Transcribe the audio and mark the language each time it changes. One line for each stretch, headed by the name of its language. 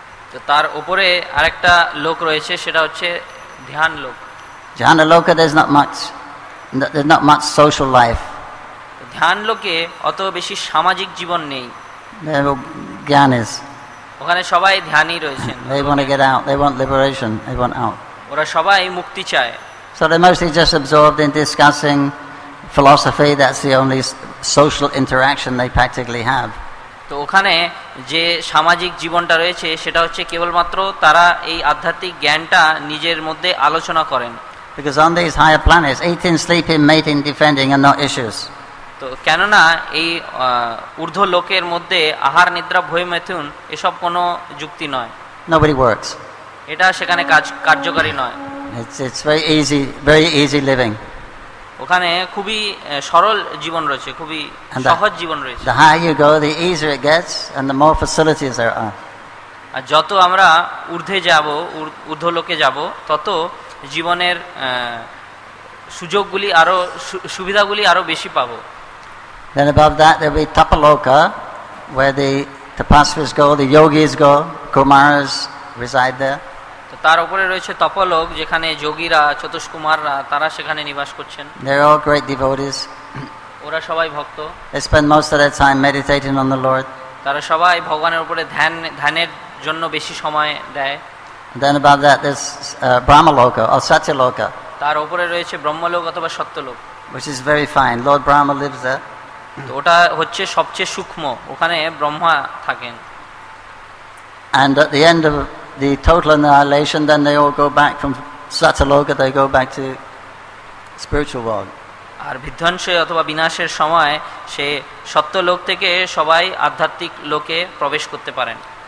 Bangla: তো তার উপরে আরেকটা লোক রয়েছে, সেটা হচ্ছে ধ্যান লোক।
English: Gyanaloka, there's not much social life.
Bangla: ধ্যান লোকে অত বেশি সামাজিক জীবন নেই। জ্ঞান ইস ওখানে সবাই ধ্যানই রয়েছেন।
English: They want to get out. They want liberation. They want out.
Bangla: ওরা সবাই মুক্তি চায়।
English: So they're mostly just absorbed in discussing philosophy. That's the only social interaction they practically have.
Bangla: তো ওখানে যে সামাজিক জীবনটা রয়েছে সেটা হচ্ছে কেবলমাত্র তারা এই আধ্যাত্মিক জ্ঞানটা নিজের মধ্যে আলোচনা করেন।
English: Because on these higher planets, eating, sleeping, mating, defending are not issues.
Bangla: তো কেননা এই ঊর্ধ্ব লোকের মধ্যে আহার নিদ্রা ভয় মেথুন এসব কোনো যুক্তি নয়।
English: Nobody works.
Bangla: এটা সেখানে কাজ কার্যকরী নয়।
English: It's very easy living.
Bangla: ওখানে খুবই সরল জীবন রয়েছে, খুবই সহজ জীবন রয়েছে।
English: The higher you go, the easier it gets and the more facilities there are.
Bangla: আর যত আমরা ঊর্ধ্বে যাব, ঊর্ধ্ব লোকে যাব, তত জীবনের সুযোগগুলি আরো সুবিধাগুলি আরো বেশি পাব।
English: Then above that there will be tapaloka where the tapasvis go, the yogis go, kumaras reside there.
Bangla: তার উপরে রয়েছে তপলোক যেখানে যোগীরা চতুষ্কুমাররা তারা সেখানে নিবাস করছেন।
English: They're all great devotees.
Bangla: ওরা সবাই ভক্ত।
English: They spend most of their time meditating on the Lord.
Bangla: তারা সবাই ভগবানের উপরে ধ্যানের জন্য বেশি সময় দেয়।
English: Then about that there's Brahmaloka or Satyaloka.
Bangla: তার উপরে রয়েছে ব্রহ্মলোক অথবা সত্যলোক।
English: Which is very fine. Lord Brahma lives there.
Bangla: তো ওটা হচ্ছে সবচেয়ে সূক্ষ্ম, ওখানে ব্রহ্মা থাকেন।
English: And at the end of the total annihilation, then they all go back from Sataloka, they go back to spiritual world.
Bangla: আর বিধ্বংসে অথবা বিনাশের সময় সে সত্যলোক থেকে সবাই আধ্যাত্মিক লোকে প্রবেশ করতে পারেন।